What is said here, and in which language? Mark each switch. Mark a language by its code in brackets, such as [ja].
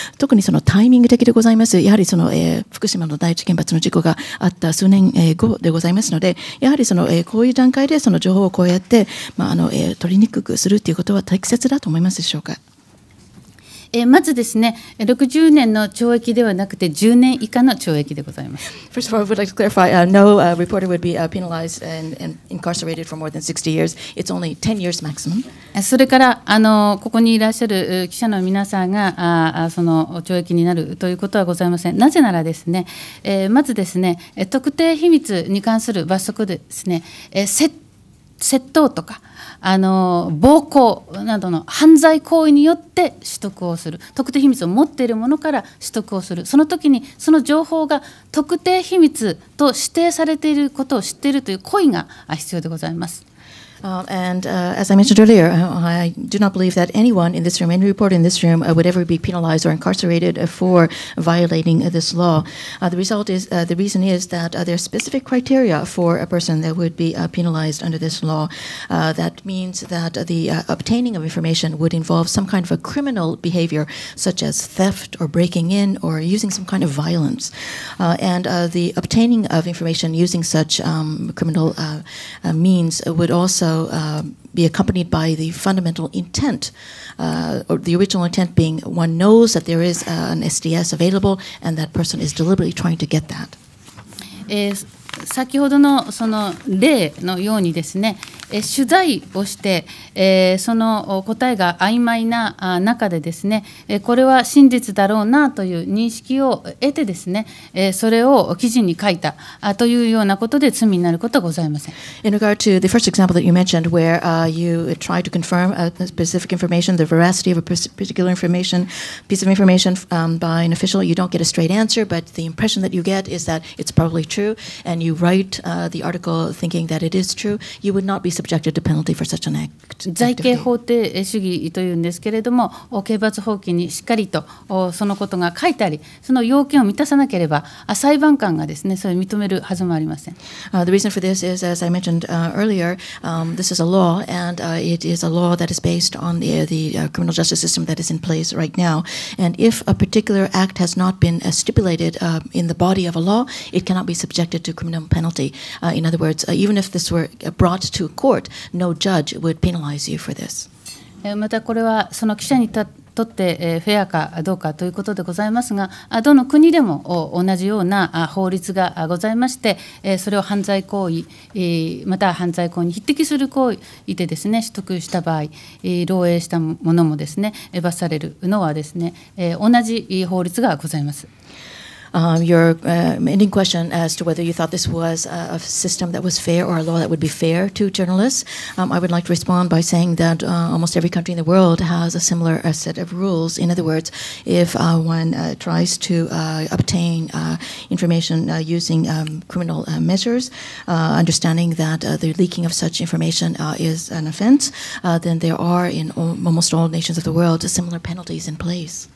[ja] 特にそのタイミング的でございます。やはりその福島の第一原発の事故があった数年後でございますので、やはりそのこういう段階でその情報をこうやって、まあ、取りにくくするということは適切だと思いますでしょうか。まずですね、60年の懲役ではなくて10年以下の懲役でございます。 [en] First of all, I would like to clarify, no reporter would be penalized and incarcerated for more than 60 years. It's only 10 years maximum. [ja] それから、ここにいらっしゃる記者の皆さんが、その懲役になるということはございません。なぜならですね、まずですね、特定秘密に関する罰則ですね、窃盗とか、暴行などの犯罪行為によって取得をする、特定秘密を持っているものから取得をする、その時にその情報が特定秘密と指定されていることを知っているという故意が必要でございます。 [en] As I mentioned earlier, I do not believe that anyone in this room, any reporter in this room, would ever be penalized or incarcerated for violating this law. The reason is that there are specific criteria for a person that would be penalized under this law. That means that the obtaining of information would involve some kind of a criminal behavior, such as theft or breaking in or using some kind of violence. The obtaining of information using such criminal means would also be accompanied by the fundamental intent, or the original intent being one knows that there is an SDS available and that person is deliberately trying to get that. [ja] 先ほどのその例のようにですね、取材をして、その答えが曖昧な中でですね、これは真実だろうなという認識を得てですね、それを記事に書いたというようなことで罪になることはございません。 [en] In regard to the first example that you mentioned, where you tried to confirm a specific information, the veracity of a particular information, piece of information by an official, you don't get a straight answer, but the impression that you get is that it's probably true, and you write the article thinking that it is true, you would not be subjected to penalty for such an act. [ja] 罪刑法定主義というんですけれども、刑罰法規にしっかりとそのことが書いてあり、その要件を満たさなければ、裁判官がですね、それを認めるはずもありません。 [en] The reason for this is, as I mentioned earlier, this is a law, and it is a law that is based on the criminal justice system that is in place right now. And if a particular act has not been stipulated in the body of a law, it cannot be subjected to criminal penalty. In other words, even if this were brought to court, no judge would penalize you for this. [ja] またこれはその記者にとってフェアかどうかということでございますが、どの国でも同じような法律がございまして、それを犯罪行為、または犯罪行為に匹敵する行為でですね、取得した場合、漏洩したものもですね、罰されるのはですね、同じ法律がございます。 [en] Your ending question as to whether you thought this was a system that was fair or a law that would be fair to journalists, I would like to respond by saying that almost every country in the world has a similar set of rules. In other words, if one tries to obtain information using criminal measures, understanding that the leaking of such information is an offense, then there are in almost all nations of the world similar penalties in place.